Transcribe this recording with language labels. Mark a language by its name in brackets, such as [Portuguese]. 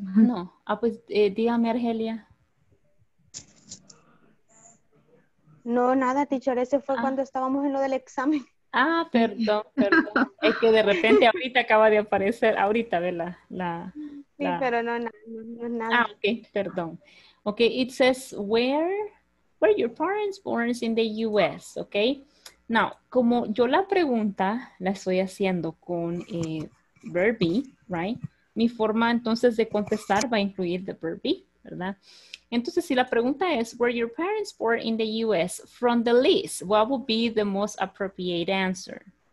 [Spanish] No, ah, pues dígame, Argelia. No, nada, teacher. Ese fue cuando estábamos en lo del examen. Ah, perdón, perdón. Es que de repente ahorita acaba de aparecer, ahorita, ¿ves? Sí, pero no, nada. Ah, ok, perdón. [English] Ok, it says, where were your parents born in the U.S., ok? [Spanish] Now, como yo la pregunta la estoy haciendo con verb be, right? Mi forma entonces de contestar va a incluir the verb be, ¿verdad? Entonces, si la pregunta es, [English] were your parents born in the U.S. from the list, what would be the most appropriate answer?